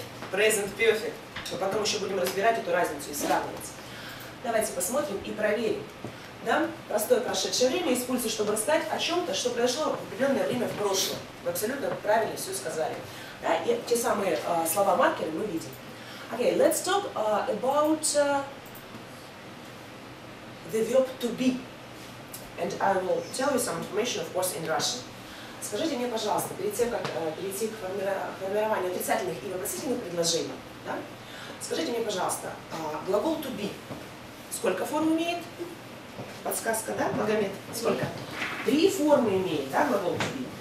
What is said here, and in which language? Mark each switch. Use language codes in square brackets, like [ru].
[en] Present perfect. [ru] Что потом еще будем разбирать эту разницу и сравнивать. Давайте посмотрим и проверим. Да? Простое прошедшее время используется, чтобы рассказать о чем-то, что произошло в определенное время в прошлом. Вы абсолютно правильно все сказали. Да? И те самые слова-маркеры мы видим. [en] Okay, let's talk about the verb to be. And I will tell you some information, of course, in Russian. [ru] Скажите мне, пожалуйста, перед тем, как перейти к формированию отрицательных и вопросительных предложений, да? Скажите мне, пожалуйста, глагол to be сколько форм имеет? Подсказка, да, Магомед? Сколько? Три формы имеет, да, глагол to be.